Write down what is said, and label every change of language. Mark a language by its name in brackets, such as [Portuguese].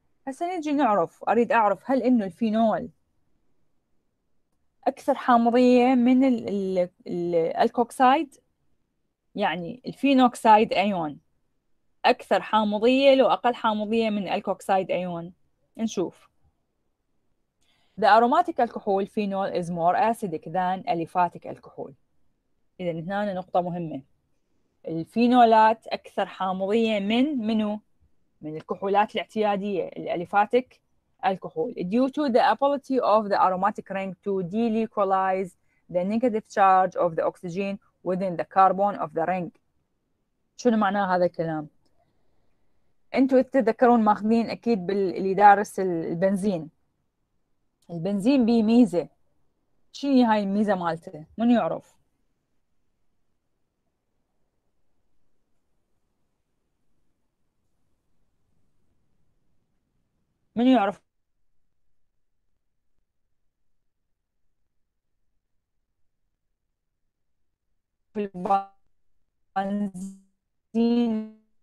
[Arabic] هسه نجي نعرف، أريد أعرف هل أنه الفينول أكثر حامضية من الألكوكسايد؟ يعني الفينوكسايد أيون أكثر حامضية لو أقل حامضية من الكوكسايد أيون؟ نشوف. [English] The aromatic alcohol phenol is more acidic than aliphatic alcohol. [Arabic] إذن هنا نقطة مهمة، الفينولات أكثر حامضية من منو؟ من الكحولات الاعتيادية الاليفاتيك الكحول. [English] Due to the ability of the aromatic ring to delocalize the negative charge of the oxygen within the carbon of the ring. [Arabic] شنو معناه هذا الكلام؟ انتوا تتذكرون ماخذين اكيد باللي دارس البنزين، البنزين بيه ميزه، شنو هاي الميزه مالته؟ من يعرف؟ من يعرف؟ البنزين